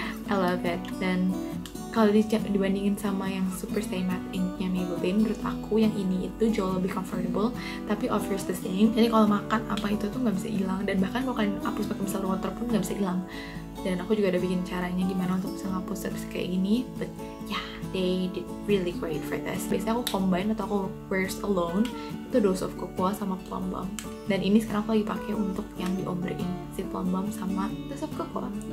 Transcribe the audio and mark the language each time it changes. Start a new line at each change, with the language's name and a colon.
Indonesian: I love it. Dan kalau dibandingin sama yang Super Stay Matte Ink-nya Maybelline, menurut aku yang ini itu jauh lebih comfortable, tapi offers the same. Jadi kalau makan apa itu tuh gak bisa hilang. Dan bahkan kalau kalian hapus pakai misal water pun gak bisa hilang. Dan aku juga ada bikin caranya gimana untuk bisa ngapus terus kayak gini.
English: But yeah, they did really great for this.
Indonesian: Biasanya aku combine atau aku wears alone itu Dose of Cocoa sama Plum Balm. Dan ini sekarang aku lagi pakai untuk yang di ombre-in, si Plum Balm sama Dose of Cocoa.